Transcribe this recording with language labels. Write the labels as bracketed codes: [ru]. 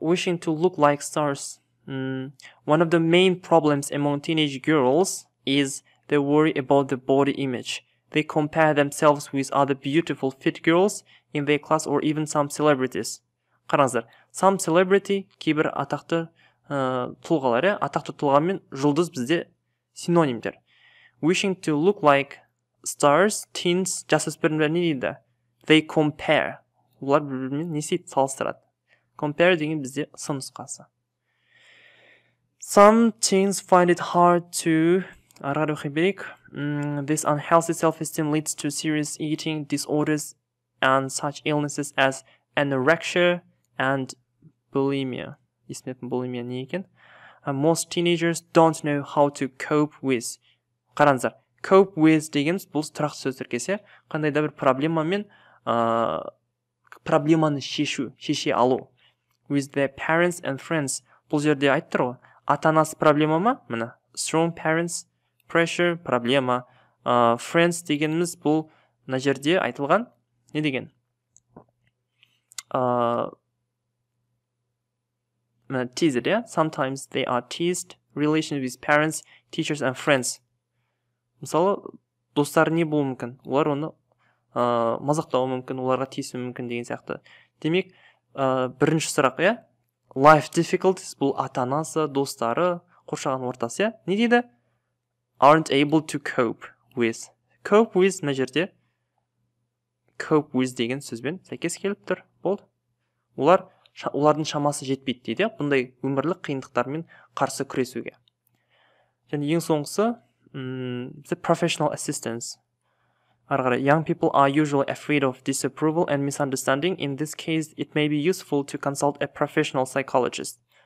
[en] Wishing to look like stars. One of the main problems among teenage girls is they worry about the body image. They compare themselves with other beautiful fit girls in their class or even some celebrities. [kk] Қараңыздар, [en] some celebrity, [kk] кейбір атақты тұлғалары, атақты тұлғамен жұлдыз бізде синонимдер. [en] Wishing to look like stars, teens, [kk] жасөспірімдер не дейді? [en] They compare. [kk] Олар бір-бірімен несі салыстырады. Compare деген бізде сын нұсқасы. [en] Some teens find it hard to... Арғару хибек. This unhealthy self-esteem leads to serious eating disorders and such illnesses as anorexia and bulimia. [kk] Есіметін bulimia не екен? [en] Most teenagers don't know how to cope with... [kk] Қараңыздар, [en] cope with [kk] деген бұл тұрақты сөз тіркесі, қандай да бір проблемамен, проблеманы шешу, шеше алу. [en] With their parents and friends, [kk] бұл жерде айттыр ғой, ата-анасы проблема ма? [en] Міне, strong parents, pressure, проблема. [kk] Friends дегеніміз бұл, на жерде айтылған, не деген? [en] Міне, teased, sometimes they are teased, relations with parents, teachers and friends. [kk] Мысалы, достары не болуы мүмкін? Олар оны мазақтауы мүмкін, оларға тиісуі мүмкін деген сияқты. Демек, бірінші сұрақ, [en] life difficulties, [kk] бұл ата-анасы, достары, қоршаған ортасы, не дейді? [en] Aren't able to cope with. [kk] Cope with, мына жерде, [en] cope with [kk] деген сөзбен сәйкес келіп тұр, болды. Олар, олардың шамасы жетпейді дейді, бұндай өмірлік қиындықтармен қарсы күресуге. Және ең соңғысы, [en] the professional assistance. Арғыры, young people are usually afraid of disapproval and misunderstanding. In this case, it may be useful to consult a professional psychologist.